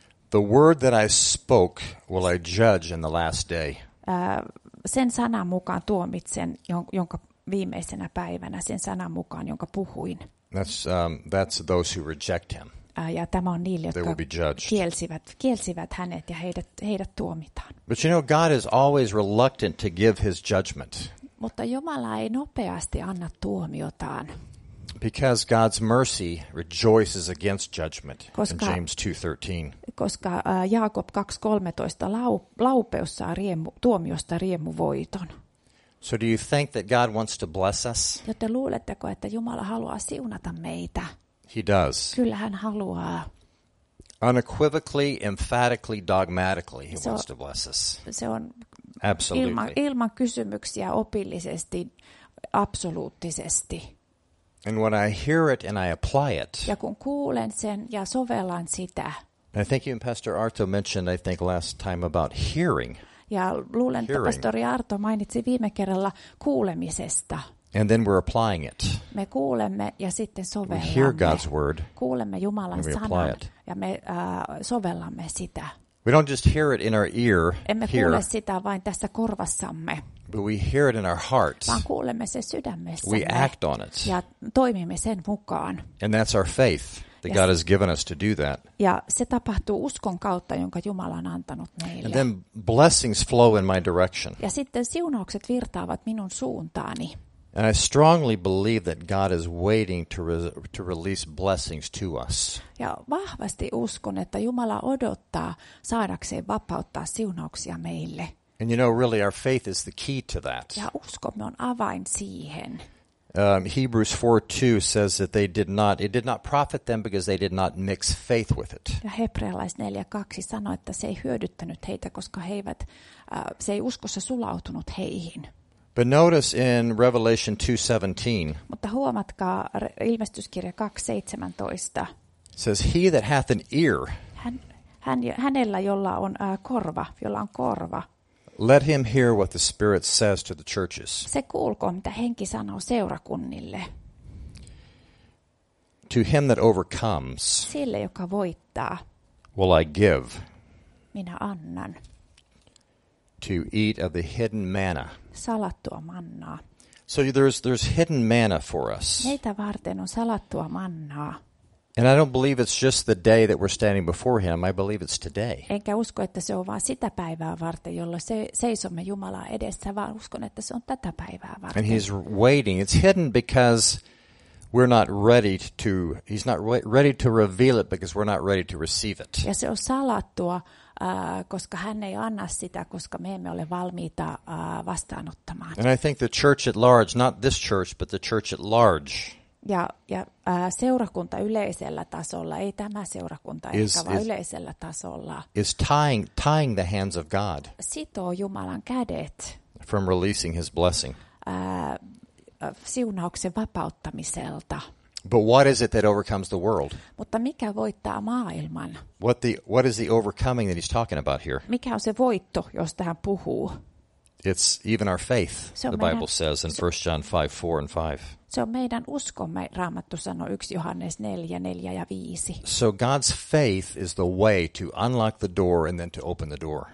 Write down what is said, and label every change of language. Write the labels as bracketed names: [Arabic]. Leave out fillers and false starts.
[English] The word that I spoke will I judge in the last day. [Finnish] Sen sanan mukaan tuomitsen jonka viimeisenä päivänä sen sanan mukaan jonka puhuin. [English] That's those who reject him. [Finnish] Ja tämä on niille, jotka kielsivät hänet ja heidät tuomitaan. [English] But you know, God is always reluctant to give his judgment. [Finnish] Mutta Jumala ei nopeasti anna tuomiotaan. [English] Because God's mercy rejoices against judgment, in James 2:13. [Finnish] Koska Jaakob 2:13 laupeus saa tuomiosta riemuvoiton. [English] So do you think that God wants to bless us? [Finnish] Jotta luuletteko, että Jumala haluaa siunata meitä? [English] He does. [Finnish] Kyllä hän haluaa. [English] Unequivocally, emphatically, dogmatically, he wants to bless us. [Finnish] Se on [English] absolutely. [Finnish] Ilman kysymyksiä, opillisesti, absoluuttisesti. [English] And when I hear it and I apply it. [Finnish] Ja kun kuulen sen ja sovellan sitä. [English] I think you and Pastor Arto mentioned, I think last time about hearing. [Finnish] Ja luulen, että pastori Arto mainitsi viime kerralla kuulemisesta. [English] And then we're applying it. [Finnish] Me kuulemme ja sitten sovellamme. [English] We hear God's word. [Finnish] Kuulemme Jumalan sanan ja me sovellamme sitä. [English] We don't just hear it in our ear. [Finnish] Emme kuule sitä vain tässä korvassamme. [English] But we hear it in our hearts. [Finnish] Vaan kuulemme sen sydämessämme. [English] We act on it. [Finnish] Ja toimimme sen mukaan. [English] And that's our faith that God has given us to do that. [Finnish] Ja se tapahtuu uskon kautta, jonka Jumala on antanut meille. [English] And then blessings flow in my direction. [Finnish] Ja sitten siunaukset virtaavat minun suuntaani. [English] And I strongly believe that God is waiting to release blessings to us. [Finnish] Ja vahvasti uskon, että Jumala odottaa saadakseen vapauttaa siunauksia meille. [English] And you know, really, our faith is the key to that. [Finnish] Ja uskomme on avain siihen. [English] Hebrews 4:2 says that it did not profit them because they did not mix faith with it. [Finnish] Ja hebrealaiset 4:2 sanoo, että se ei hyödyttänyt heitä, koska se ei uskossa sulautunut heihin. [English] But notice in Revelation 2:17. [Finnish] Mutta huomatkaa ilmestyskirja 2:17. [English] Says he that hath an ear. [Finnish] Hänellä jolla on korva, jolla on korva. [English] Let him hear what the Spirit says to the churches. [Finnish] Se kuulkoon, mitä henki sanoo seurakunnille. [English] To him that overcomes. [Finnish] Sille joka voittaa. [English] Will I give. [Finnish] Minä annan. [English] To eat of the hidden manna. [Finnish] Salattua mannaa. [English] So there's hidden manna for us. [Finnish] Meitä varten on salattua mannaa. [English] And I don't believe it's just the day that we're standing before him. I believe it's today. [Finnish] Enkä usko, että se on vaan sitä päivää varten, jolloin seisomme Jumalaa edessä, vaan uskon, että se on tätä päivää varten. [English] And he's waiting. It's hidden because we're not ready to, he's not ready to reveal it because we're not ready to receive it. [Finnish] Ja se on salattua, koska hän ei anna sitä, koska me emme ole valmiita vastaanottamaan. [English] And I think the church at large, not this church, but the church at large. [Finnish] Ja seurakunta yleisellä tasolla, ei tämä seurakunta, vaan yleisellä tasolla. [English] Is tying the hands of God. [Finnish] Sitoo Jumalan kädet. [English] From releasing his blessing. [Finnish] Siunauksen vapauttamiselta. [English] But what is it that overcomes the world? [Finnish] Mutta mikä voittaa maailman? [English] What is the overcoming that he's talking about here? [Finnish] Mikä on se voitto, josta hän puhuu? [English] It's even our faith, the Bible says in 1 John 5:4-5. [Finnish] Se on meidän uskomme, Raamattu sanoo 1 Johannes 4:4-5. [English] So God's faith is the way to unlock the door and then to open the door.